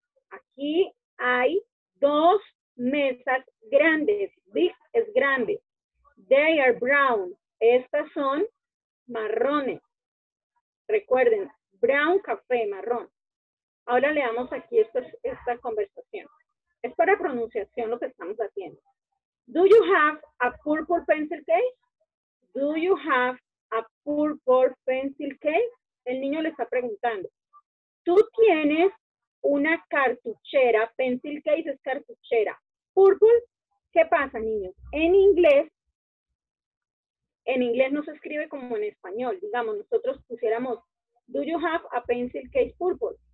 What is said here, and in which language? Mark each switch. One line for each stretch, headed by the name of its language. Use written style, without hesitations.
Spanish: Aquí hay dos mesas grandes. Big es grande.
English: They are brown.
Spanish: Estas son marrones. Recuerden, brown, café, marrón. Ahora leamos aquí esta conversación. Es para pronunciación lo que estamos haciendo.
English: Do you have a purple pencil case? Do you have a purple pencil case?
Spanish: El niño le está preguntando, ¿tú tienes una cartuchera, pencil case es cartuchera, purple? ¿Qué pasa, niño? En inglés no se escribe como en español. Digamos, nosotros pusiéramos,
English: ¿do you have a pencil case purple?